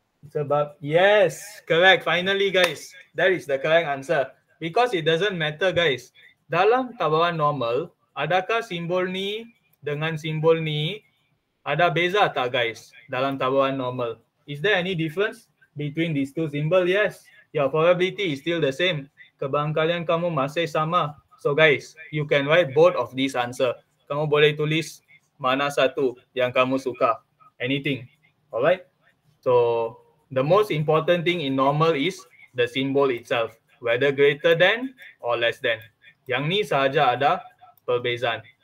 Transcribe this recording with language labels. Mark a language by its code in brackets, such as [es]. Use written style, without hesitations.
[en] Sebab, yes, correct. Finally, guys, that is the correct answer. Because it doesn't matter, guys. [ms] Dalam tabaran normal, adakah simbol ni dengan simbol ni ada beza tak, guys, dalam tabaran normal? [en] Is there any difference between these two symbol? Yes. Your probability is still the same. [ms] Kebangkalian kamu masih sama. [en] So guys, you can write both of these answer. [ms] Kamu boleh tulis mana satu yang kamu suka. [en] Anything. Alright? So, the most important thing in normal is the symbol itself. Whether greater than or less than. [ms] Yang ni sahaja ada perbezaan.